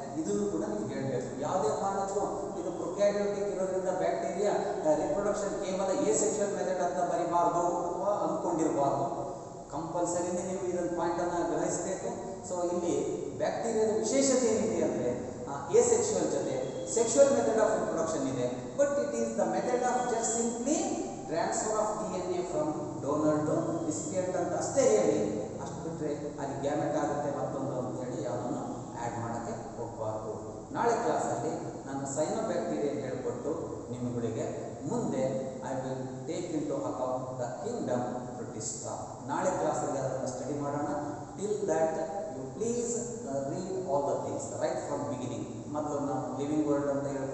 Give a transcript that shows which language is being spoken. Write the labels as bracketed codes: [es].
[kn] ಇದನ್ನು ಕೂಡ ನೀವು ಹೇಳಬೇಕು. ಯಾವುದೇ ಕಾರಣಕ್ಕೂ ಇದು ಪ್ರೊಕಾರ್ಯೋಟಿಕ್ ಇರೋದ್ರಿಂದ ಬ್ಯಾಕ್ಟೀರಿಯಾ ರಿಪ್ರೊಡಕ್ಷನ್ ಕೇವಲ ಎ ಸೆಕ್ಷುವಲ್ ಮೆಥಡ್ ಅಂತ ಬರೀಬಾರ್ದು ಅಥವಾ ಅಂದ್ಕೊಂಡಿರಬಾರ್ದು. ಕಂಪಲ್ಸರಿನೇ ನೀವು ಇದನ್ನು ಪಾಯಿಂಟನ್ನು ಗ್ರಹಿಸಬೇಕು. ಸೊ ಇಲ್ಲಿ ಬ್ಯಾಕ್ಟೀರಿಯಾದ ವಿಶೇಷತೆ ಏನಿದೆ ಅಂದರೆ ಎ ಸೆಕ್ಷುವಲ್ ಜೊತೆ [en] sexual method of reproduction [kn] ide, [en] but it is the method of just simply transfer of DNA from donor to recipient [kn] ಅಂತ ಅಷ್ಟೇ ಹೇಳಿ ಅಷ್ಟು ಬಿಟ್ರೆ ಅಲ್ಲಿ ಗ್ಯಾಮೆಟ್ ಆಗುತ್ತೆ ಮತ್ತೊಂದು ಅಂತ ಹೇಳಿ ಯಾವುದನ್ನು ಆ್ಯಡ್ ಮಾಡೋಕ್ಕೆ ಹೋಗಬಾರ್ದು. ನಾಳೆ ಕ್ಲಾಸಲ್ಲಿ ನಾನು ಸೈನೋಬ್ಯಾಕ್ಟೀರಿಯಾ ಅಂತ ಹೇಳ್ಕೊಟ್ಟು ನಿಮ್ಮಗಳಿಗೆ ಮುಂದೆ [en] I will take into account the kingdom Protista. [kn] ನಾಳೆ ಕ್ಲಾಸಲ್ಲಿ ಅದನ್ನು ಸ್ಟಡಿ ಮಾಡೋಣ. [en] Till that you please read all the things right from beginning. [kn] ಮೊದಲು ನಾವು ಲಿವಿಂಗ್ ವರ್ಲ್ಡ್ ಅಂತ